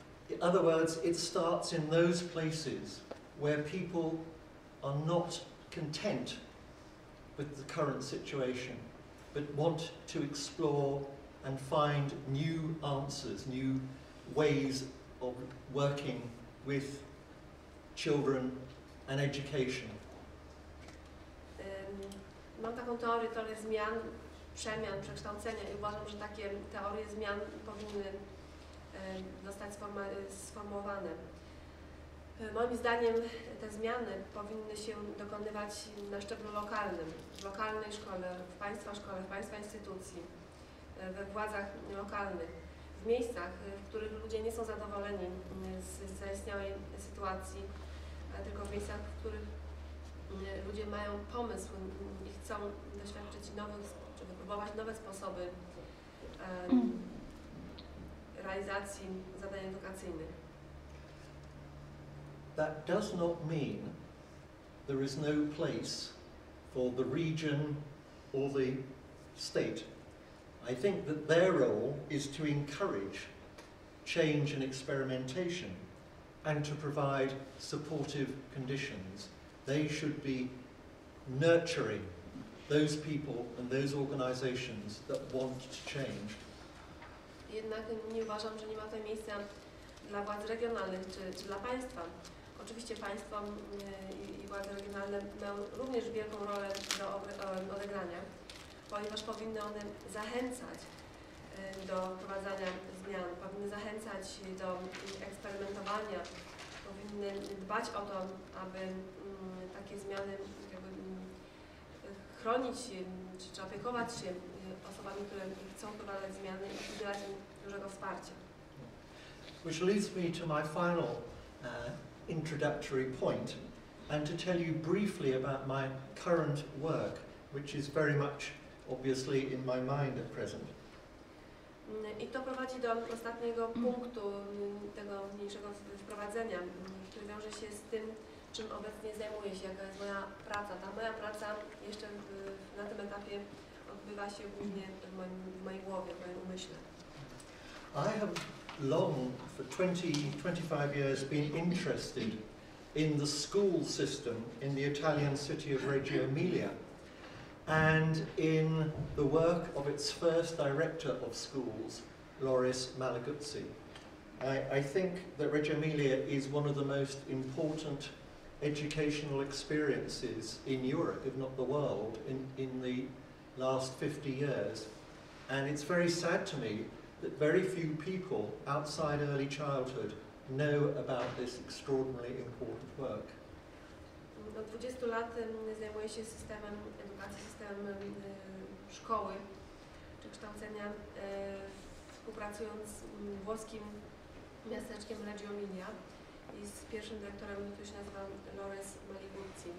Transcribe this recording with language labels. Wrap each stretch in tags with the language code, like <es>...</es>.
<en>In other words, it starts in those places where people are not content with the current situation, but want to explore and find new answers, new ways of working with children and education.</en> <pl>Mam taką teorię zmian, przemian, przekształcenia i uważam, że takie teorie zmian powinny zostać sformułowane. Moim zdaniem te zmiany powinny się dokonywać na szczeblu lokalnym, w lokalnej szkole, w państwa instytucji, we władzach lokalnych, w miejscach, w których ludzie nie są zadowoleni z zaistniałej sytuacji, tylko w miejscach, w których ludzie mają pomysł i chcą doświadczyć nowych, czy wypróbować nowe sposoby realizacji zadań edukacyjnych.</pl> <en>That does not mean there is no place for the region or the state. I think that their role is to encourage change and experimentation and to provide supportive conditions. They should be nurturing those people and those organizations that want to change.</en> <pl>Jednak nie uważam, że nie ma to miejsca dla władz regionalnych czy dla państwa. Oczywiście państwo i władze regionalne mają również wielką rolę do odegrania, ponieważ powinny one zachęcać do wprowadzania zmian, powinny zachęcać do eksperymentowania, powinny dbać o to, aby takie zmiany jakby chronić się, czy opiekować się osobami, które chcą wprowadzać zmiany i udzielać im dużego wsparcia.</pl> <en>Which leads me to my final introductory point and to tell you briefly about my current work, which is very much obviously in my mind at present.</en> <pl>I to prowadzi do ostatniego punktu tego mniejszego wprowadzenia, który wiąże się z tym, czym obecnie zajmuję się, jaka jest moja praca. Ta moja praca jeszcze na tym etapie odbywa się głównie w mojej głowie, w moim umyśle.</pl> <en>I have long, for 20-25 years, been interested in the school system in the Italian city of Reggio Emilia and in the work of its first director of schools, Loris Malaguzzi. I think that Reggio Emilia is one of the most important educational experiences in Europe, if not the world, in the last 50 years. And it's very sad to me that very few people outside early childhood know about this extraordinarily important work.</en> <pl>Od 20 lat zajmuję się systemem edukacji, systemem szkoły czy kształcenia, współpracując z włoskim miasteczkiem Reggio Emilia i z pierwszym dyrektorem, który się nazywa Loris Malaguzzi.</pl>